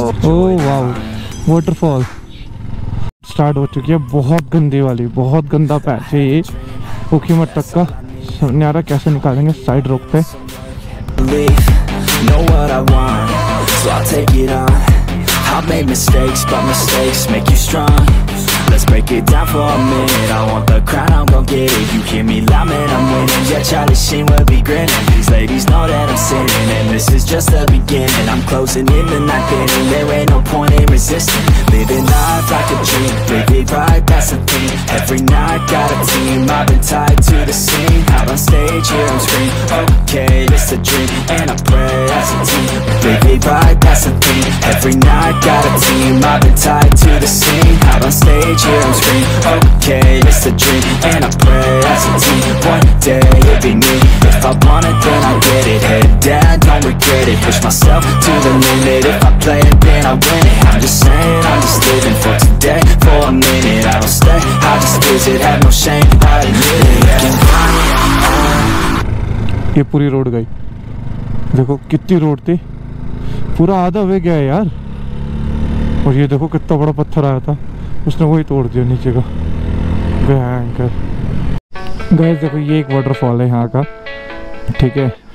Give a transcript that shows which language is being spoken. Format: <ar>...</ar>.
<hi>ओ वाव waterfall start हो चुकी है, बहुत गंदी वाली, बहुत गंदा पैच है ये ऊखी मठ तक का. समझ नहीं आ रहा कैसे निकालेंगे, साइड रोकते.</hi> <en>Let's break it down for a minute. I want the crown, I'm gon' get it. You hear me loud, man, I'm winning. Yeah, Charlie Sheen will be grinning. These ladies know that I'm sinning, and this is just the beginning. I'm closing in the night, getting there ain't no point in resisting. Living life like a dream, live it right, that's the theme. Every night, got a team, I've been tied to the scene. Out on stage, here on screen, okay, this a dream. And I pray as a team, live it right, that's the theme. Every night, got a team, I've been tied to the scene. Out on stage, here on screen, okay, it's a dream. And I pray as a team, one day it'll be me. If I want it, then I'll get it. Head down, don't regret it. Push myself to the limit. If I play it, then I win it. I'm just saying, I'm just living for today, for a minute. I don't stay, I just visit. Have no shame, I admit it, yeah.</en> <hi>ये पूरी road गई, देखो कितनी road थी, पूरा आधा वे गया यार. और ये देखो कितना बड़ा पत्थर आया था, उसने वही तोड़ दिया नीचे का। भयंकर गाइस देखो ये एक वाटरफॉल है यहाँ का, ठीक है।</hi>